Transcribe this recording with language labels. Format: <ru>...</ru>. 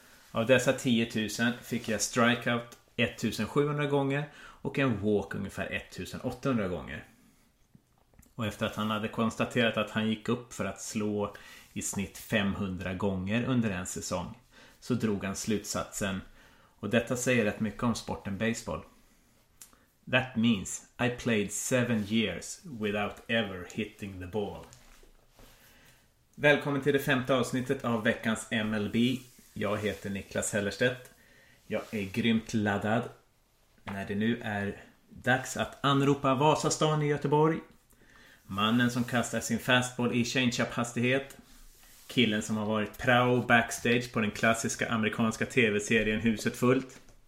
<sv>Av dessa 10 000 fick jag strikeout 1 700 gånger och en walk ungefär 1 800 gånger. Och efter att han hade konstaterat att han gick upp för att slå i snitt 500 gånger under en säsong, så drog han slutsatsen, och detta säger rätt mycket om sporten baseball.</sv> <en>That means I played 7 years without ever hitting the ball.</en> <sv>Välkommen till det femte avsnittet av veckans MLB. Jag heter Niklas Hellerstedt. Jag är grymt laddad när det nu är dags att anropa Vasastan i Göteborg. Mannen som kastar sin fastball i changeup-hastighet. Killen som har varit prao backstage på den klassiska amerikanska tv-serien Huset fullt.</sv>